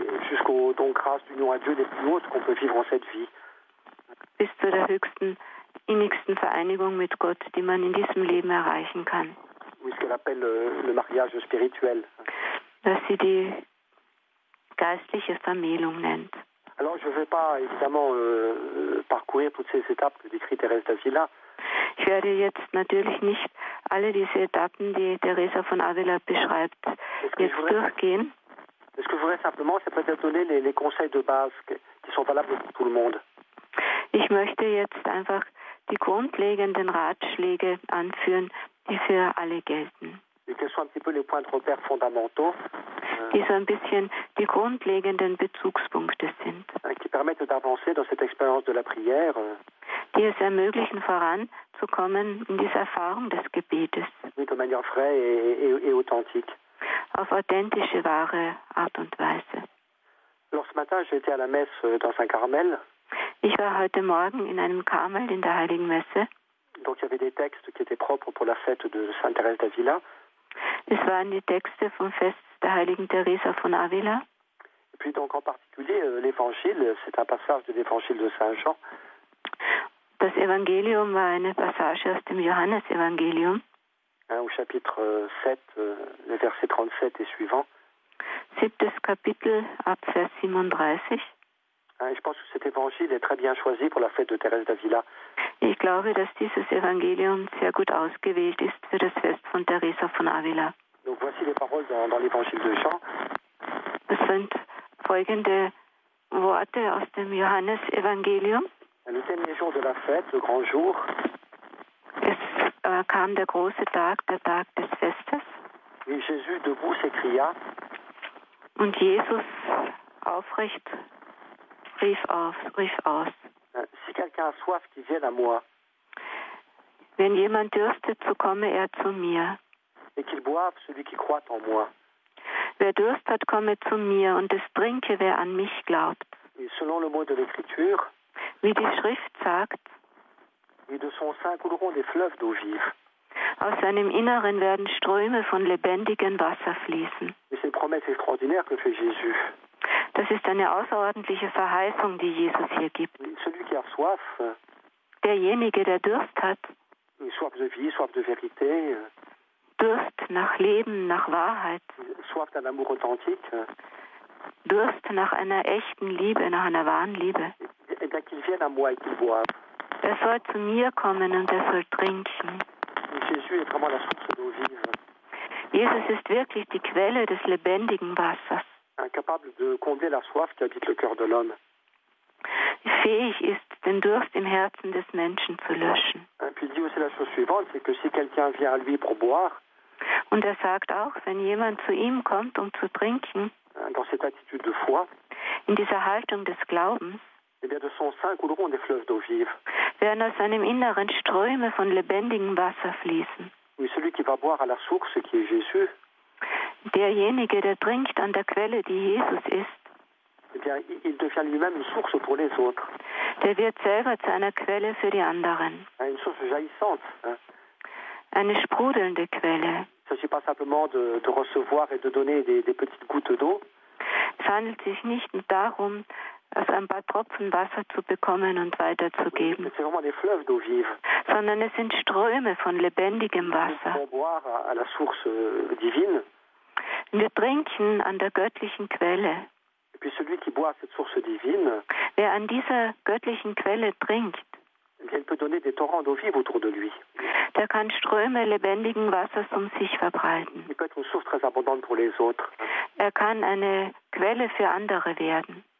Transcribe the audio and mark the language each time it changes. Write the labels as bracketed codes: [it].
[fr] jusqu'au don grâce d'union à Dieu des plus hautes qu'on peut vivre en cette vie. [de] Bis zu der höchsten, innigsten Vereinigung mit Gott, die man in diesem Leben erreichen kann. [fr] Oui, ce qu'elle appelle le mariage spirituel. [de] Dass sie die geistliche Vermählung nennt. [fr] Alors, je ne vais pas évidemment parcourir toutes ces étapes que décrit Thérèse d'Avila. [de] Ich werde jetzt natürlich nicht alle diese Etappen, die Teresa von Avila beschreibt, jetzt durchgehen. [fr] Ce que je voudrais simplement, c'est peut-être donner les conseils de base qui sont valables pour tout le monde. [de] Ich möchte jetzt einfach die grundlegenden Ratschläge anführen, die für alle gelten. [fr] Et quels sont un petit peu les points de repère fondamentaux. [de] Die so ein bisschen die grundlegenden Bezugspunkte sind. [fr] Qui permettent d'avancer dans cette expérience de la prière. [de] Die es ermöglichen, voranzukommen in dieser Erfahrung des Gebetes. [fr] Oui, de manière vraie et authentique. [de] Auf authentische, wahre Art und Weise. [fr] Alors, ce matin, j'ai été à la messe dans un Carmel. [de] Ich war heute Morgen in einem Karmel in der Heiligen Messe. [fr] Donc, il y avait des textes qui étaient propres pour la fête de Sainte-Thérèse d'Avila. [de] Es waren die Texte vom Fest der Heiligen Teresa von Avila. [fr] Et puis donc en particulier l'Évangile, c'est un passage de l'Évangile de Saint Jean. [de] Das Evangelium war eine Passage aus dem Johannesevangelium. [fr] Au chapitre 7, les versets 37 et suivants. [de] Siebtes Kapitel ab Vers 37. [fr] Et je pense que cet évangile est très bien choisi pour la fête de Thérèse d'Avila. [de] Ich glaube, dass dieses Evangelium sehr gut ausgewählt ist für das Fest von Teresa von Avila. [fr] Donc voici les paroles dans l'évangile de Jean. [de] Es sind folgende Worte aus dem Johannes-Evangelium. [fr] Le dernier jour de la fête, le grand jour. [de] Es kam der große Tag, der Tag des Festes. [fr] Et Jésus debout s'écria. [de] Und Jesus aufrecht rief aus. [fr] Si quelqu'un a soif, qu'il vienne à moi. [de] Wenn jemand dürstet, so komme er zu mir. [fr] Et qu'il boive, celui qui croit en moi. [de] Wer Durst hat, komme zu mir, und es trinke, wer an mich glaubt. [fr] Et selon le mot de l'Écriture, [de] wie die Schrift sagt, [fr] et de son sein couleront des fleuves d'eau vive. [de] Aus seinem Inneren werden Ströme von lebendigem Wasser fließen. [fr] Et c'est une promesse extraordinaire que fait Jésus. [de] Das ist eine außerordentliche Verheißung, die Jesus hier gibt. [fr] Celui qui a soif, [de] derjenige, der Durst hat, [fr] soif de vie, soif de vérité, [de] Durst nach Leben, nach Wahrheit, [fr] soif d'un amour authentique, [de] Durst nach einer echten Liebe, nach einer wahren Liebe, [fr] et qu'il vienne à moi et qu'il boive. [de] Er soll zu mir kommen und er soll trinken. [fr] Jésus est vraiment la source d'eau vive. [de] Jesus ist wirklich die Quelle des lebendigen Wassers. [fr] Incapable de combler la soif qui habite le cœur de l'homme. [de] Fähig ist, den Durst im Herzen des Menschen zu löschen. [fr] Et puis il dit aussi la chose suivante, c'est que si quelqu'un vient à lui pour boire, [de] und er sagt auch, wenn jemand zu ihm kommt, um zu trinken, [fr] dans cette attitude de foi, [de] in dieser Haltung des Glaubens, [fr] eh bien de son sein couleront des fleuves d'eau vive. [de] Werden aus seinem Inneren Ströme von lebendigem Wasser fließen. [fr] Oui, celui qui va boire à la source, qui est Jésus, [de] derjenige, der trinkt an der Quelle, die Jesus ist, [fr] eh bien, il devient lui-même une source pour les autres. [de] Der wird selber zu einer Quelle für die anderen. [fr] Une source jaillissante, hein? [de] Eine sprudelnde Quelle. [fr] Il ne s'agit pas simplement de recevoir et de donner des petites gouttes d'eau. [de] Es handelt sich nicht darum, also ein paar Tropfen Wasser zu bekommen und weiterzugeben. [fr] C'est vraiment des fleuves d'eau vive. [de] Sondern es sind Ströme von lebendigem Wasser. [fr] Pour boire à la source divine. [de] Wir trinken an der göttlichen Quelle. [fr] Et puis celui qui boit cette source divine, [de] wer an dieser göttlichen Quelle trinkt, [fr] il peut donner des torrents d'eau vive autour de lui. [de] Der kann Ströme lebendigen Wassers um sich verbreiten. [fr] Il peut être une source très abondante pour les autres. [de] Er kann eine Quelle für andere werden.